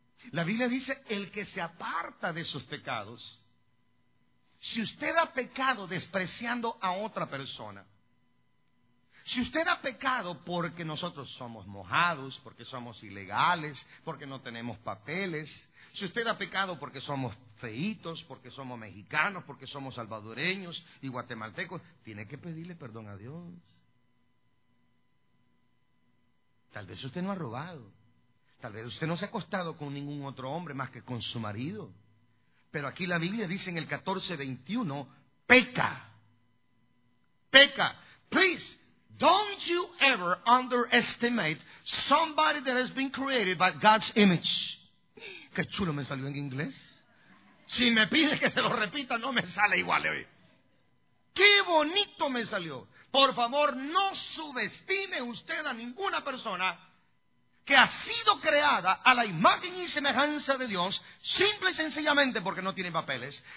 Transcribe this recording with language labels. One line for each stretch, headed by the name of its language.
Spanish: La Biblia dice, el que se aparta de sus pecados, si usted ha pecado despreciando a otra persona, si usted ha pecado porque nosotros somos mojados, porque somos ilegales, porque no tenemos papeles, si usted ha pecado porque somos feitos, porque somos mexicanos, porque somos salvadoreños y guatemaltecos, tiene que pedirle perdón a Dios. Tal vez usted no ha robado. Tal vez usted no se ha acostado con ningún otro hombre más que con su marido. Pero aquí la Biblia dice en el 14:21, peca. Peca.
English: Please, don't you ever underestimate somebody that has been created by God's image.
Spanish: Qué chulo me salió en inglés. Si me pides que se lo repita, no me sale igual hoy. Qué bonito me salió. Por favor, no subestime usted a ninguna persona que ha sido creada a la imagen y semejanza de Dios, simple y sencillamente porque no tiene papeles.